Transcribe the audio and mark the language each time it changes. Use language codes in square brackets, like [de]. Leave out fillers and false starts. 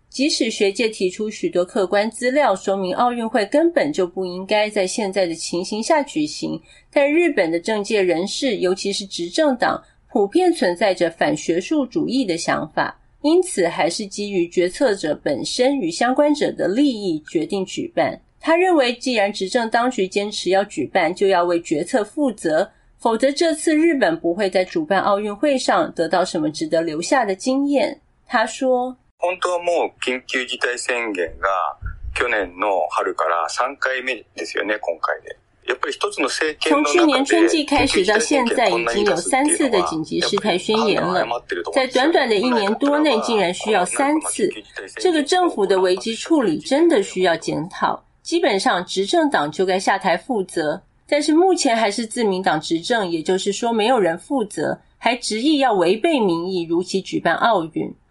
[zh] 即使学界提出许多客观资料说明奥运会根本就不应该在现在的情形下举行，但日本的政界人士尤其是执政党普遍存在着反学术主义的想法，因此还是基于决策者本身与相关者的利益决定举办。他认为，既然执政当局坚持要举办，就要为决策负责，否则这次日本不会在主办奥运会上得到什么值得留下的经验。他说， [ja] 本当はもう緊急事態宣言が去年の春から3回目ですよね、今回で。 [zh] 从去年春季开始到现在已经有三次的紧急事态宣言了，在短短的一年多内竟然需要三次，这个政府的危机处理真的需要检讨，基本上执政党就该下台负责，但是目前还是自民党执政，也就是说没有人负责，还执意要违背民意如期举办奥运。